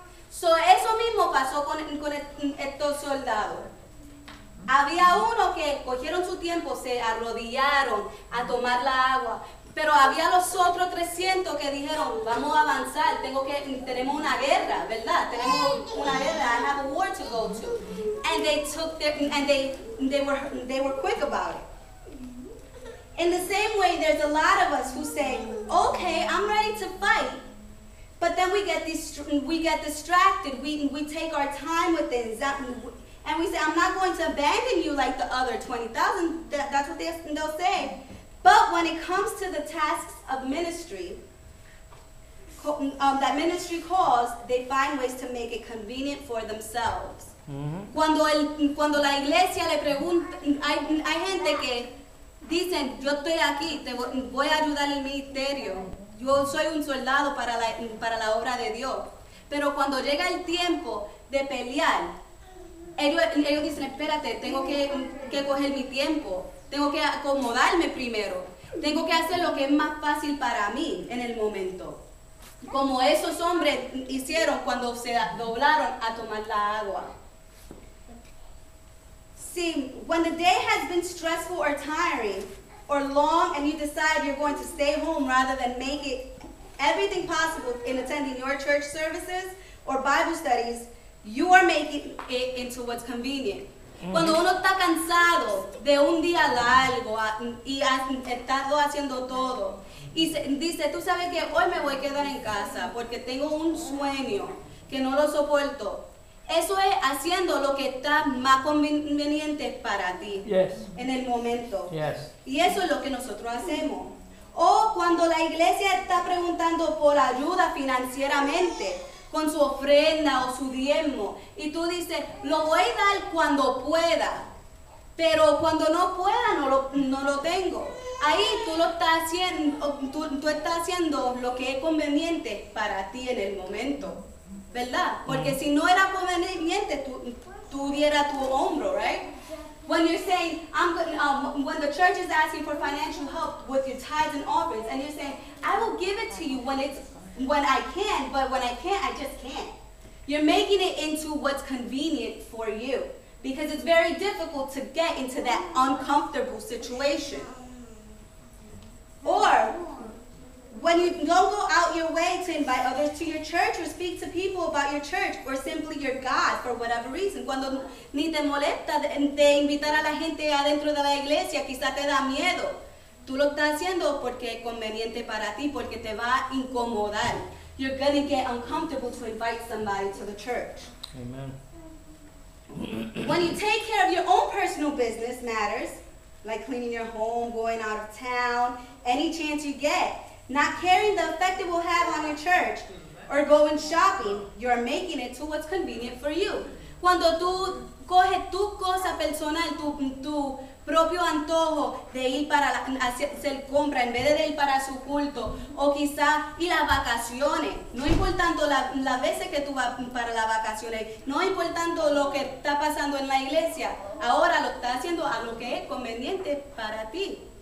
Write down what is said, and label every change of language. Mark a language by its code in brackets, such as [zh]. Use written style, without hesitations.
[es] So eso mismo pasó con estos soldados. Había uno que cogieron su tiempo, se arrodillaron a tomar la agua. Pero había los otros 300 que dijeron, vamos a avanzar, tenemos una guerra, ¿verdad? Tenemos una guerra, [en] I have a war to go to. And they took they were quick about it. In the same way, there's a lot of us who say, okay, I'm ready to fight. But then we get distracted, we take our time with things. And we say, I'm not going to abandon you like the other 20,000. That's what they'll say. But when it comes to the tasks of ministry, that ministry calls, they find ways to make it convenient for themselves. Mm-hmm. [es] Cuando la iglesia le pregunta, hay gente que dicen, yo estoy aquí, voy a ayudar el ministerio. Yo soy un soldado para la obra de Dios. Pero cuando llega el tiempo de pelear, ellos dicen, espérate, tengo que coger mi tiempo. Tengo que acomodarme primero. Tengo que hacer lo que es más fácil para mí en el momento. Como esos hombres hicieron cuando se doblaron a tomar la agua. [en] See, when the day has been stressful or tiring or long and you decide you're going to stay home rather than make it everything possible in attending your church services or Bible studies, you are making it into what's convenient. Mm-hmm. [es] Cuando uno está cansado de un día largo y ha estado haciendo todo, y dice, tú sabes que hoy me voy a quedar en casa porque tengo un sueño que no lo soporto. Eso es haciendo lo que está más conveniente para ti. [en] Yes. [es] En el momento. [en] Yes. [es] Y eso es lo que nosotros hacemos. O cuando la iglesia está preguntando por ayuda financieramente, con su ofrenda o su diezmo, y tú dices, lo voy a dar cuando pueda, Pero cuando no pueda, no lo tengo. Ahí tú lo estás haciendo, tú estás haciendo lo que es conveniente para ti en el momento, ¿verdad? Porque si no era conveniente, tú hubiera tu hombro, [en] right? When you're saying, when the church is asking for financial help with your tithes and offerings, and you're saying, I will give it to you when I can, but when I can't, I just can't. You're making it into what's convenient for you. Because it's very difficult to get into that uncomfortable situation. Or, when you don't go out your way to invite others to your church or speak to people about your church or simply your God for whatever reason. [es] Cuando ni te molesta de invitar a la gente adentro de la iglesia, quizá te da miedo. Tú lo estás haciendo porque es conveniente para ti, porque te va a incomodar. [en] You're going to get uncomfortable to invite somebody to the church. Amen. When you take care of your own personal business matters, like cleaning your home, going out of town, any chance you get, not caring the effect it will have on your church, or going shopping, you're making it to what's convenient for you. [es] Cuando tú coges tu cosa personal, tu propio antojo de ir para hacer compra en vez de ir para su culto, o quizá ir a vacaciones, no importando las veces que tú vas para las vacaciones, no importando lo que está pasando en la iglesia, ahora lo estás haciendo a lo que es conveniente para ti.